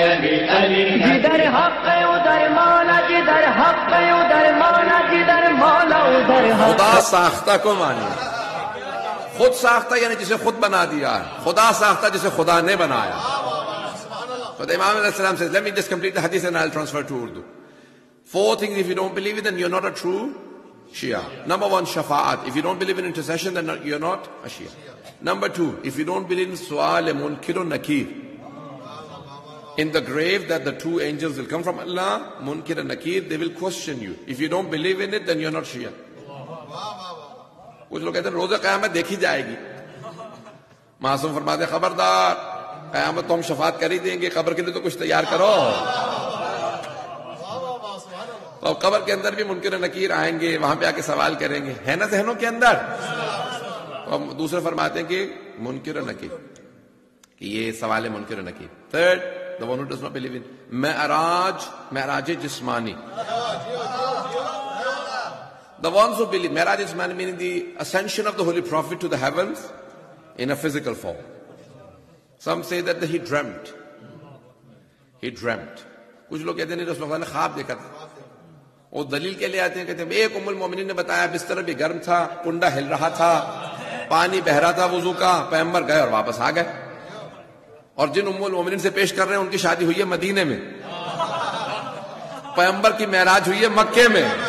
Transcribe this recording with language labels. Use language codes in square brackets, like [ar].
[ur] جدھر حق ہے ادھر مولا، جدھر حق ہے ادھر مولا، جدھر مولا ادھر حق. خدا ساختہ کو مانی، خود ساختہ یعنی جسے خود بنا دیا ہے، خدا ساختہ جسے خدا نے بنایا. [en] But Imam Ali Salam says, let me just complete the hadith and I'll transfer to Urdu. Four things, if you don't believe it, then you're not a true Shia. Number one, Shafa'at. If you don't believe in intercession, then you're not a Shia. Number two, if you don't believe in Su'al-e Munkirun Nakir, in the grave that the two angels will come from Allah, Munkir and Nakir, they will question you. If you don't believe in it, then you're not Shia. [ur] Kuch log kehte hain, roze qiyamah dekhi jayegi. Masoom farmate, khabardar. قیامت تو ہم شفاعت کر ہی دیں گے، قبر کے لیے تو کچھ تیار کرو. اور قبر کے اندر بھی منکر نکیر آئیں گے، وہاں پہ آ کے سوال کریں گے، ہے نا ذہنوں کے اندر. اور دوسرے فرماتے ہیں کہ منکر نکیر، کہ یہ سوال ہے منکر نکیر. [en] Third, the one who does not believe in معراج، معراج جسمانی. دی ونز ہو بیلیو معراج جسمانی meaning the ascension of the holy prophet to the heavens in a physical form. Some say that he dreamt. He dreamt. [ur] کچھ لوگ کہتے ہیں رسول اللہ نے خواب دیکھا تھا. وہ دلیل کے لیے آتے ہیں، کہتے ہیں ایک ام المومنین نے بتایا بستر بھی گرم تھا، کنڈا ہل رہا تھا، پانی بہ رہا تھا وضو کا، پیغمبر گئے اور واپس آ گئے. اور جن ام المومنین سے پیش کر رہے ہیں ان کی شادی ہوئی ہے مدینے میں، پیغمبر کی معراج ہوئی ہے مکے میں.